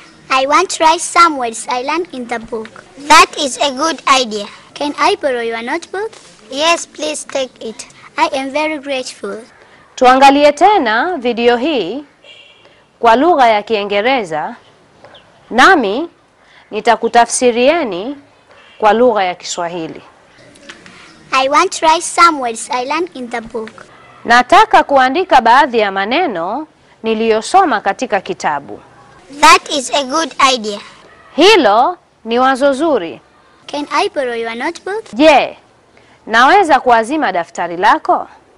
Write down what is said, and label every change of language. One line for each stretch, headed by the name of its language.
English: I want to write some words I learned in the book. That is a good idea. Can I borrow your notebook? Yes, please take it. I am very grateful.
Swahili: Tuangalie tena video hii kwa lugha ya Kiingereza. Nami nitakutafsirieni kwa lugha ya Kiswahili.
English: I want to write some words I learned in the book.
Swahili: Nataka kuandika baadhi ya maneno niliyosoma katika kitabu.
English: That is a good idea.
Swahili: Hilo ni wazo zuri.
English: Can I borrow your notebook?
Swahili: Je, naweza kuazima daftari lako?